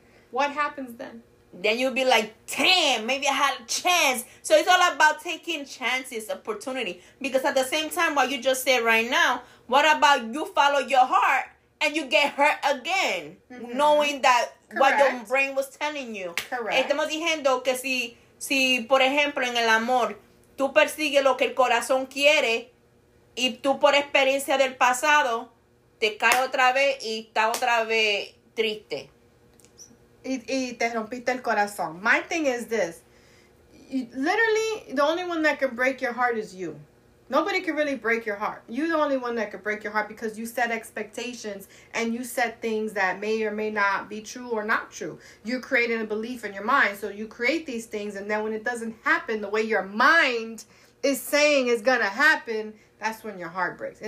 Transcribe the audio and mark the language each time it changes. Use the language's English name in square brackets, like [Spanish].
[English] What happens then? Then you'll be like, damn, maybe I had a chance. So it's all about taking chances, opportunity. Because at the same time, what you just said right now, what about you follow your heart and you get hurt again? Mm-hmm. Knowing that correct. What your brain was telling you. Correct. [Spanish] Estamos diciendo que si, por ejemplo, en el amor, tú persigues lo que el corazón quiere y tú por experiencia del pasado, te cae otra vez y está otra vez triste. Y te rompiste el corazón. [English] My thing is this. Literally, the only one that can break your heart is you. Nobody can really break your heart. You're the only one that can break your heart because you set expectations and you set things that may or may not be true or not true. You're creating a belief in your mind. So you create these things. And then when it doesn't happen the way your mind is saying is going to happen, that's when your heart breaks.